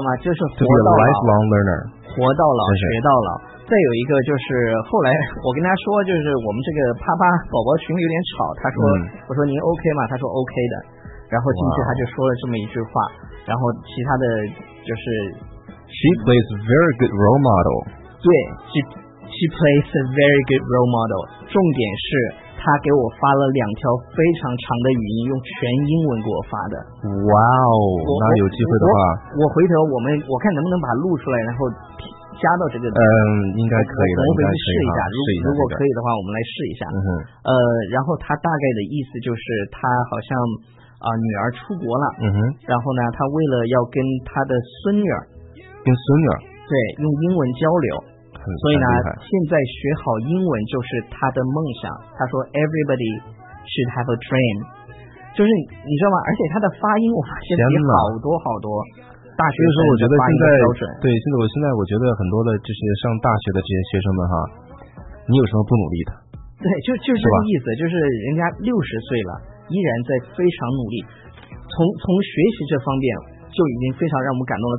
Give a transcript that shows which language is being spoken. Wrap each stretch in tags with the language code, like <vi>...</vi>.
<zh>你知道吗，就是活到老</zh> <en>lifelong learner，</en> <zh>活到老学到老。再有一个就是后来我跟他说，就是我们这个啪啪宝宝群里有点吵，他说、我说您 OK 吗，他说 OK 的，然后进去他就说了这么一句话，然后其他的就是</zh> <en>She plays a very good role model，</en> <zh>对，</zh> <en>she plays a very good role model，</en> <zh>重点是他给我发了两条非常长的语音，用全英文给我发的。哇哦，那有机会的话，我回头我看能不能把它录出来，然后加到这个。应该可以的，应该可以。试一下，如果可以的话，我们来试一下。然后他大概的意思就是，他好像女儿出国了。然后呢，他为了要跟他的孙女儿，跟孙女儿，对，用英文交流。所以呢，现在学好英文就是他的梦想。他说 ，</zh> <en>Everybody should have a dream，</en> <zh>就是你知道吗？而且他的发音，我发现比好多好多大学生的发音标准。对，我觉得很多的这些上大学的这些学生们哈，你有什么不努力的？对，就是这个意思，就是人家60岁了，依然在非常努力。从学习这方面就已经非常让我们感动了。</zh>